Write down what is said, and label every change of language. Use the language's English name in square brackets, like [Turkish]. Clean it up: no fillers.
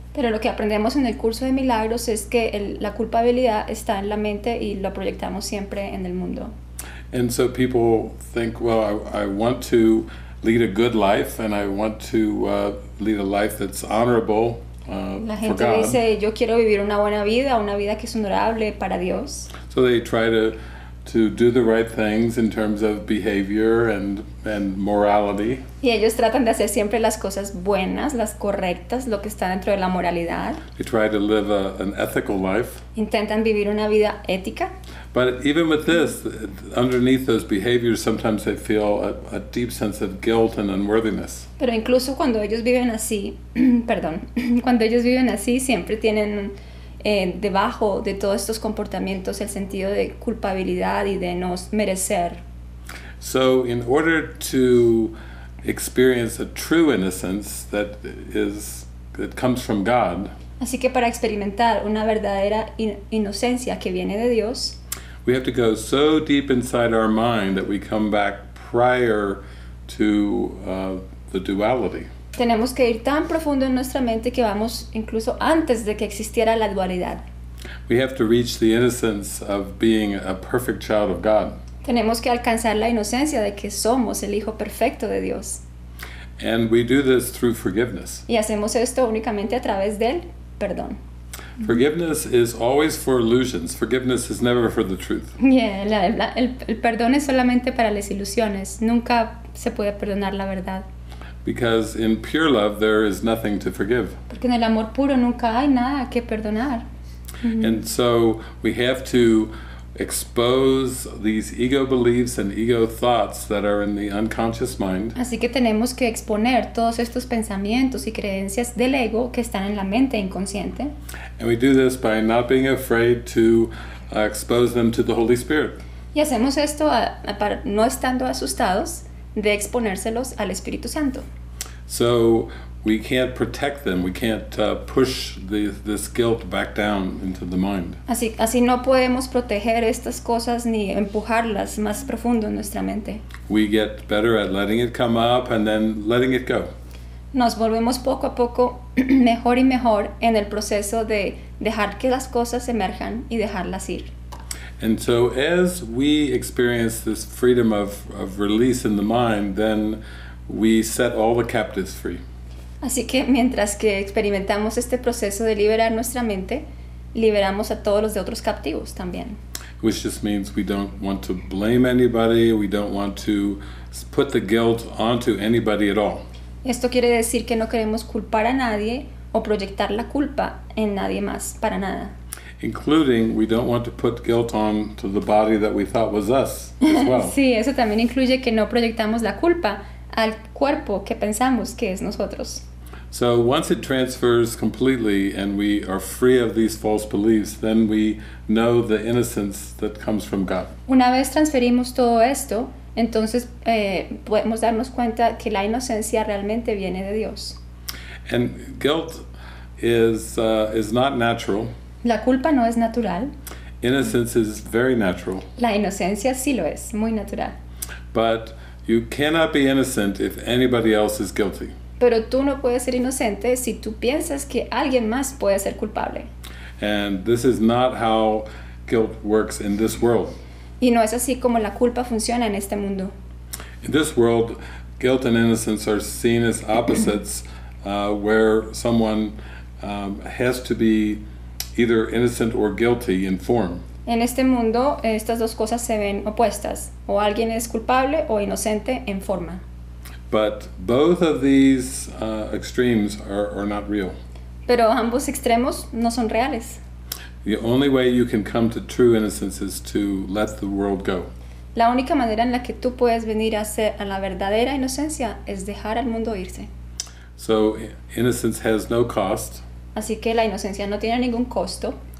[Spanish] Pero lo que aprendemos en el curso de milagros es que la culpabilidad está en la mente y lo proyectamos siempre en el mundo. [English] And so people think, well, I want to lead a good life and I want to lead a life that's honorable [Spanish] La gente [English] for God. [Spanish] Dice, yo quiero vivir una buena vida, una vida que es honorable para Dios. [English] So they try to do the right things in terms of behavior and morality. [Spanish] Y ellos tratan de hacer siempre las cosas buenas, las correctas, lo que está dentro de la moralidad. [English] They try to live an ethical life. [Spanish] Intentan vivir una vida ética. [English] But even with this, underneath those behaviors, sometimes they feel a deep sense of guilt and unworthiness. [Spanish] Pero incluso cuando ellos viven así, perdón, cuando ellos viven así, siempre tienen debajo de todos estos comportamientos el sentido de culpabilidad y de no merecer. [English] So in order to experience a true innocence that comes from God. [Spanish] Así que para experimentar una verdadera inocencia que viene de Dios, [English] we have to go so deep inside our mind that we come back prior to the duality. [Spanish] Tenemos que ir tan profundo en nuestra mente que vamos incluso antes de que existiera la dualidad. [English] we have to reach the innocence of being a perfect child of God. [Spanish] Tenemos que alcanzar la inocencia de que somos el hijo perfecto de Dios. [English] And we do this through forgiveness. [Spanish] Y hacemos esto únicamente a través del perdón. [English] Forgiveness is always for illusions. Forgiveness is never for the truth. [Spanish] Yeah, el perdón es solamente para las ilusiones. Nunca se puede perdonar la verdad. [English] Because in pure love there is nothing to forgive. [Spanish] Porque en el amor puro nunca hay nada que perdonar. [English] And so we have to expose these ego beliefs and ego thoughts that are in the unconscious mind. [Spanish] Así que tenemos que exponer todos estos pensamientos y creencias del ego que están en la mente inconsciente. [English] And we do this by not being afraid to expose them to the Holy Spirit. [Spanish] Y hacemos esto para no estando asustados de exponérselos al Espíritu Santo. [English] So we can't protect them. We can't push this guilt back down into the mind. [Spanish] Así no podemos proteger estas cosas ni empujarlas más profundo en nuestra mente. [English] We get better at letting it come up and then letting it go. [Spanish] Nos volvemos poco a poco mejor y mejor en el proceso de dejar que las cosas emerjan y dejarlas ir. [English] And so as we experience this freedom of release in the mind, then we set all the captives free. [Spanish] Así que mientras que experimentamos este proceso de liberar nuestra mente, liberamos a todos los de otros captivos también. [English] Which just means we don't want to blame anybody, we don't want to put the guilt onto anybody at all. [Spanish] Esto quiere decir que no queremos culpar a nadie o proyectar la culpa en nadie más, para nada. [English] Including, we don't want to put guilt on to the body that we thought was us as well. [Spanish] Sí, eso también incluye que no proyectamos la culpa al cuerpo que pensamos que es nosotros. [English] So once it transfers completely and we are free of these false beliefs, then we know the innocence that comes from God. [Spanish] Una vez transferimos todo esto, entonces podemos darnos cuenta que la inocencia realmente viene de Dios. [English] And guilt is not natural. [Spanish] La culpa no es natural. [English] Innocence is very natural. [Spanish] La inocencia sí lo es, muy natural. [English] But you cannot be innocent if anybody else is guilty. [Spanish] Pero tú no puedes ser inocente si tú piensas que alguien más puede ser culpable. [English] And this is not how guilt works in this world. [Spanish] Y no es así como la culpa funciona en este mundo. [English] In this world, guilt and innocence are seen as opposites, where someone has to be either innocent or guilty in form. [Spanish] En este mundo, estas dos cosas se ven opuestas. O alguien es culpable o inocente en forma. [English] But both of these extremes are not real. [Spanish] Pero ambos extremos no son reales. [English] The only way you can come to true innocence is to let the world go. [Spanish] La única manera en la que tú puedes venir a ser a la verdadera inocencia es dejar al mundo irse. [English] So innocence has no cost. [Spanish] Así que la inocencia no tiene ningún costo.